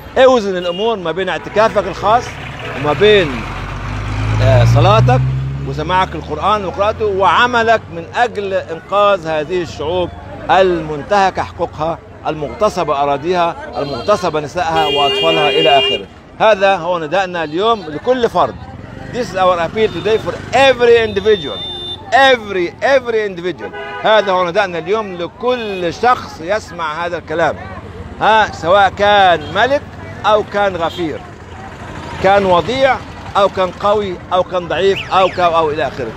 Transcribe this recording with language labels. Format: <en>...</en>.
<ar>اوزن الامور ما بين اعتكافك الخاص وما بين صلاتك وسماعك القرآن وقراءته وعملك من أجل إنقاذ هذه الشعوب المنتهكة حقوقها المغتصبة أراضيها المغتصبة نسائها وأطفالها إلى آخره. هذا هو ندائنا اليوم لكل فرد.</ar> <en>This is our appeal today for every individual. Every individual.</en> <ar>هذا هو ندائنا اليوم لكل شخص يسمع هذا الكلام. ها سواء كان ملك أو كان غفير. كان وضيع أو كان قوي أو كان ضعيف أو كاو أو إلى آخره.</ar>